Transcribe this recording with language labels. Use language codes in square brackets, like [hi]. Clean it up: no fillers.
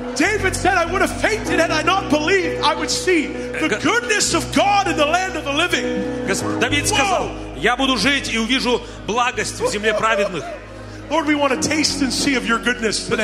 [en] David said, "I would have fainted had I not believed I would see the goodness of God in the land of the living." [ru] Давид сказал, я буду жить и увижу благость в земле праведных. [en] Lord, we want to taste and see of your goodness today.